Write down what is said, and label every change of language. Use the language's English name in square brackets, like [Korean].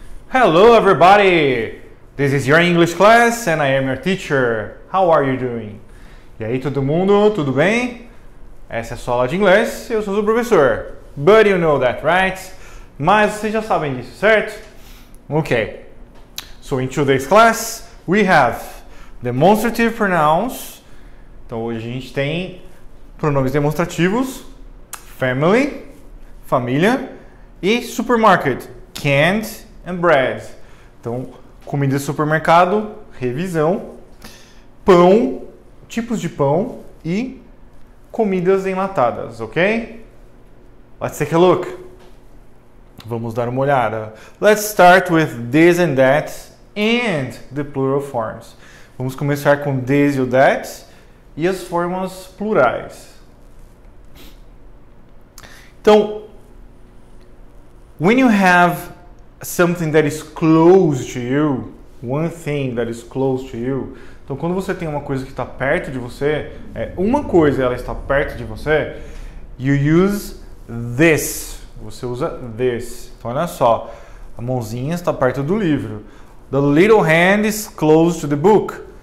[English] Hello everybody, this is your English class and I am your teacher. How are you doing? [Portuguese] E aí todo mundo, tudo bem? Essa é a sua aula de inglês, eu sou o professor. [English] But you know that, right? [Portuguese] Mas vocês já sabem disso, certo? [English] Ok, so in today's class we have demonstrative pronouns. [Portuguese] Então hoje a gente tem pronomes demonstrativos, family, família e supermarket, can't and bread. Então, comida de supermercado, revisão, pão, tipos de pão e comidas enlatadas, ok? [English] Let's take a look. [Portuguese] Vamos dar uma olhada. [English] Let's start with this and that and the plural forms. [Portuguese] Vamos começar com this e o that e as formas plurais. [English] Então, when you have something that is close to you, one thing that is close to you. [Portuguese] Então, quando você tem uma coisa que está perto de você, é uma coisa, ela está perto de você, [English] you use this. [Portuguese] Você usa this. Então, olha só, a mãozinha está perto do livro. [English] The little hand is close to the book.